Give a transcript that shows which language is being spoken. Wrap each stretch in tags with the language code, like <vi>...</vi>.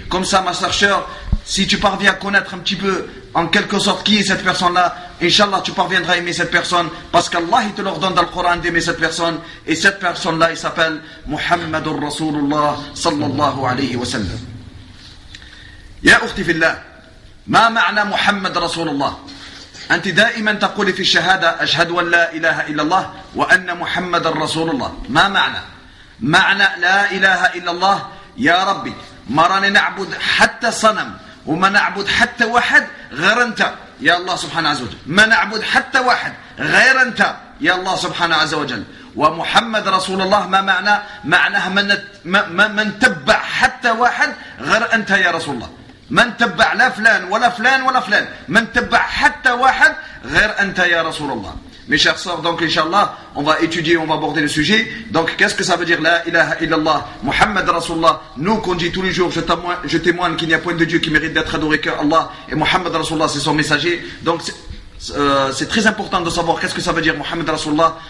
<fr>Comme ça, ma chercheur, si tu parviens à connaître un petit peu, en quelque sorte, qui est cette personne-là, Inch'Allah, tu parviendras à aimer cette personne, parce qu'Allah, il te l'ordonne dans le Coran d'aimer cette personne, et cette personne-là, il s'appelle Muhammadur Rasulullah sallallahu alayhi wa sallam.</fr> <ar>Ya ukhti fillah, ما معنى محمد رسول الله؟ أنت دائما تقول في الشهادة أشهد أن لا إله إلا الله وأن محمد رسول الله، ما معنى؟ معنى لا إله إلا الله يا ربي، ما راني نعبد حتى صنم وما نعبد حتى واحد غير أنت يا الله سبحانه عز وجل، ما نعبد حتى واحد غير أنت يا الله سبحانه عز وجل. ومحمد رسول الله ما معنى؟ معناه من تبع حتى واحد غير أنت يا رسول الله، من تبع لا فلان ولا فلان ولا فلان، من تبع حتى واحد غير أنت يا رسول الله.</ar> <fr>Mes chers sœurs, donc inshallah, on va étudier, on va aborder le sujet. Donc qu'est-ce que ça veut dire la ilaha illallah, Muhammad Rasulullah? Nous qu'on dit tous les jours, je témoigne qu'il n'y a point de Dieu qui mérite d'être adoré que Allah, et Muhammad Rasulullah c'est son messager. Donc c'est très important de savoir qu'est-ce que ça veut dire Muhammad Rasulullah.</fr>